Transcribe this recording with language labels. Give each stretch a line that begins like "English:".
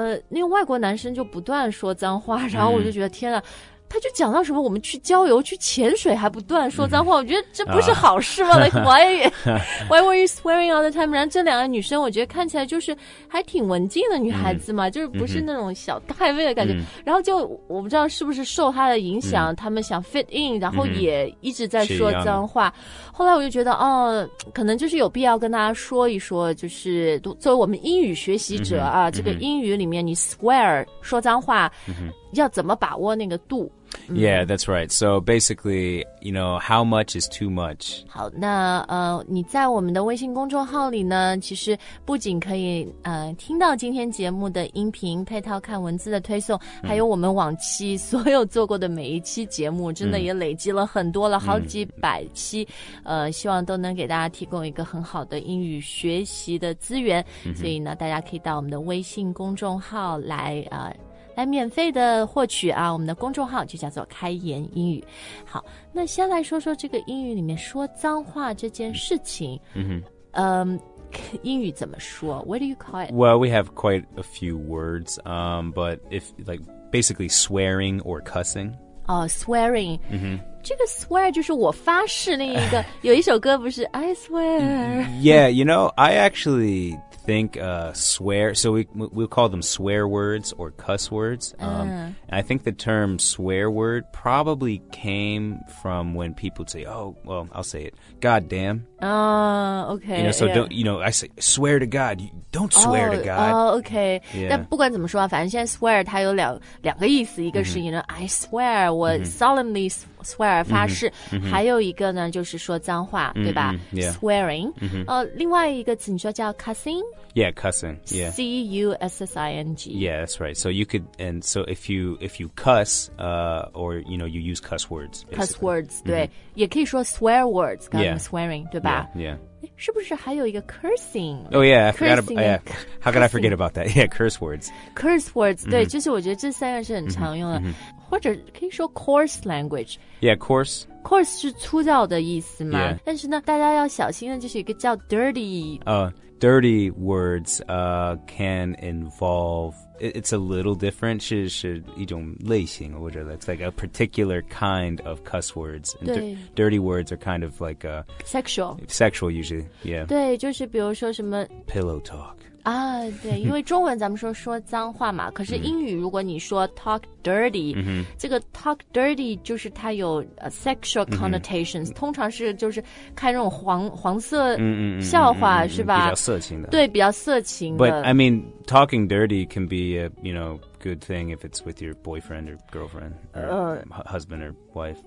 Chinese: 那个外国男生就不断说脏话然后我就觉得天哪他就讲到什么我们去郊游去潜水还不断说脏话、我觉得这不是好事吗、
English: Why were you swearing all the time
Chinese: 然后这两个女生我觉得看起来就是还挺文静的女孩子嘛、就是不是那种小太妹的感觉、然后就我不知道是不是受她的影响她们想
English: fit in
Chinese: 然后也一直在说脏话后来我就觉得哦，可能就是有必要跟大家说一说就是作为我们英语学习者啊、这个英语里面你 swear 说脏话、要怎么把握那个度
English: Yeah, that's right. So basically, you know, how much is too much?
Chinese: 好，那你在我们的微信公众号里呢，其实不仅可以听到今天节目的音频，配套看文字的推送，还有我们往期所有做过的每一期节目，真的也累积了很多了，好几百期，希望都能给大家提供一个很好的英语学习的资源。所以呢，大家可以到我们的微信公众号来来免费的获取啊我们的公众号就叫做开言英语好那先来说说这个英语里面说脏话这件事情英语怎么说
English: What do you call it? Well, we have quite a few words but if like basically swearing or cussing
Chinese: swearing、这个 swear 就是我发誓那一个有一首歌不是 I swear
English: Yeah, you know, I actuallythink swear, so we'll call them swear words or cuss words. I think the term swear word probably came from when people say, oh, well, I'll say it, God damn. Okay. You know, so don't, you know, I say, swear to God, don't swear to God. Okay. Yeah.
Chinese: 但不管怎么说反正现在 swear 它有两个意思一个是、
English: you know, I swear,
Chinese: 我
English: solemnly swear,
Chinese: 发誓、还有一个呢就是说脏话、对吧、swearing、另外一个词你说叫 cussing?
English: Yeah, cussing. Yeah. C-U-S-S-I-N-G. Yeah, that's right. So you could, and so if you cuss, or, you know, you use cuss words.、Basically.
Chinese: Cuss words, 对、也可以说 swear words, 刚刚 swearing, 对吧
English: yeah.
Chinese: 是不是还有一个 cursing?
English: Oh, yeah, I forgot about, how could I forget about that? Yeah, curse words.
Chinese: Curse words, 对、就是我觉得这三个是很常用的。或者可以说 coarse language.
English: Yeah, coarse.
Chinese: Coarse 是粗糙的意思嘛、
English: yeah.
Chinese: 但是呢大家要小心的就是一个叫 dirty.
English: Dirty words can involve, it's a little different,
Chinese: 是一种类型或者
English: it's like a particular kind of cuss words. And dirty words are kind of like sexual usually, yeah.
Chinese: 对就是比如说什么
English: pillow talk.
Chinese: 对因为中文咱们说脏话嘛可是英语如果你说 talk dirty,、这个 talk dirty 就是它有sexual connotations,、通常是就是看这种黄色笑话、是吧比较色情的。对比较色情的。
English: But I mean, talking dirty can be a, you know, good thing if it's with your boyfriend or girlfriend or husband or wife.